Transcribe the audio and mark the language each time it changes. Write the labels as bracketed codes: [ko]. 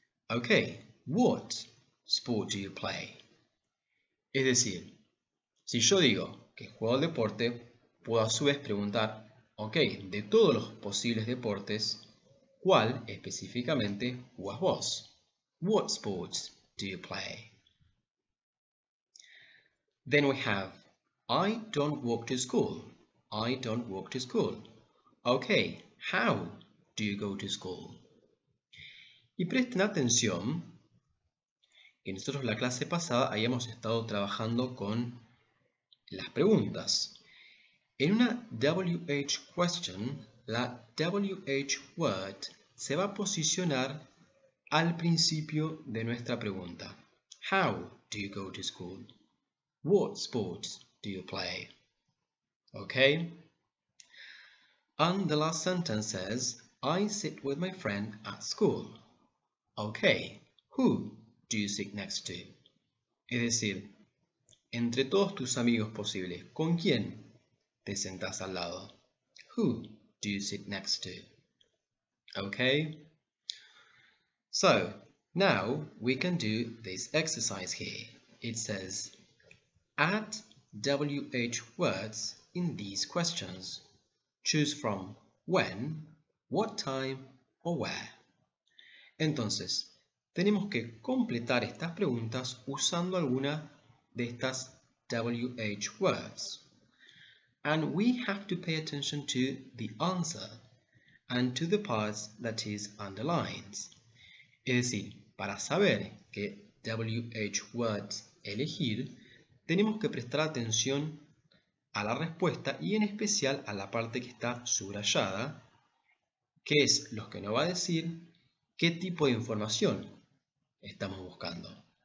[en] Okay, what sport do you play? [es] Es decir, si yo digo que juego al deporte, puedo a su vez preguntar, ok, de todos los posibles deportes, ¿cuál específicamente juegas vos? [en] What sports do you play? Then we have, I don't walk to school. I don't walk to school. Okay, how do you go to school? [es] Y presten atención, que nosotros la clase pasada habíamos estado trabajando con las preguntas. En una WH question, la WH word se va a posicionar al principio de nuestra pregunta. [en] How do you go to school? What sports do you play? Okay? And the last sentence says, I sit with my friend at school. Okay, who do you sit next to? [es] Es decir, entre todos tus amigos posibles, ¿con quién te sentás al lado? [en] Who do you sit next to? Okay? So, now we can do this exercise here. It says, add WH words in these questions. Choose from when, what time, or where. [es] Entonces, tenemos que completar estas preguntas usando alguna de estas WH words. [en] And we have to pay attention to the answer and to the parts that is underlined. [es] Es decir, para saber qué WH words elegir, tenemos que prestar atención a la respuesta y en especial a la parte que está subrayada, que es lo que nos va a decir qué tipo de información estamos buscando.